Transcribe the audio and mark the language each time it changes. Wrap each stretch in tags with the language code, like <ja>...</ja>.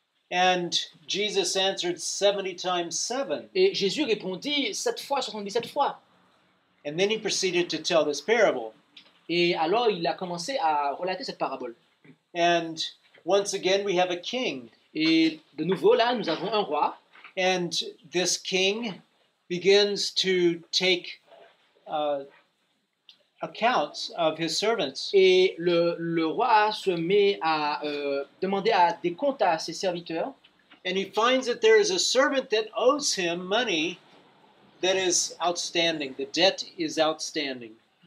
<en>And Jesus answered 70 times 7.</en> <fr>Et Jésus répondit 7 fois 77 fois.</fr> <en>And then he proceeded to tell this parable.</en> <fr>Et alors il a commencé à relater cette parabole.</fr> <en>And once again we have a king.</en> <fr>Et de nouveau là nous avons un roi.</fr> <en>And this king begins to take accounts of his servants.</en> <fr>Et le roi se met à demander des comptes à ses serviteurs.</fr> <en>And he finds that there is a servant that owes him money. That is outstanding. The debt is outstanding.</en>